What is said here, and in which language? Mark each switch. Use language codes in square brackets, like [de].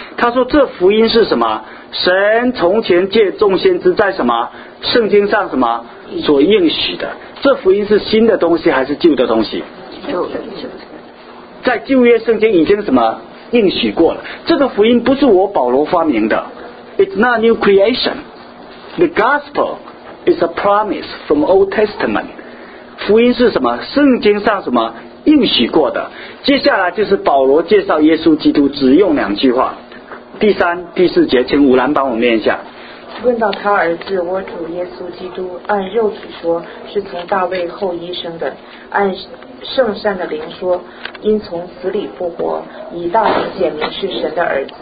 [zh] 他说这福音是什么？神从前借众先知在什么圣经上什么所应许的。这福音是新的东西还是旧的东西？旧的。在旧约圣经已经什么应许过了。这个福音不是我保罗发明的， [en] It's not new creation。 The gospel is a promise from Old Testament. [zh] 福音是什么？圣经上什么应许过的。接下来就是保罗介绍耶稣基督，只用两句话。第三、第四节，请武兰帮我念一下。问到他儿子，我主耶稣基督，按肉体说，是从大卫后裔生的；按圣善的灵说，因从死里复活，以大能显明是神的儿子。